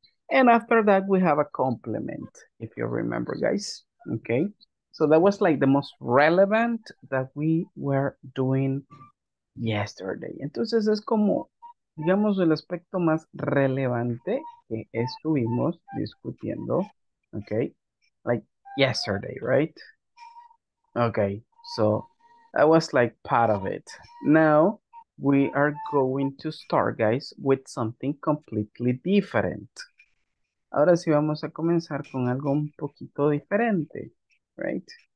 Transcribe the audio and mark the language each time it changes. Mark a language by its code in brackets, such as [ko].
[en] And after that, we have a complement, if you remember, guys. Okay. So that was like the most relevant that we were doing yesterday. [es] Entonces es como, digamos, el aspecto más relevante que estuvimos discutiendo, ¿ok? [en] Like yesterday, right? Ok, so that was like part of it. Now we are going to start, guys, with something completely different. [es] Ahora sí vamos a comenzar con algo un poquito diferente, right?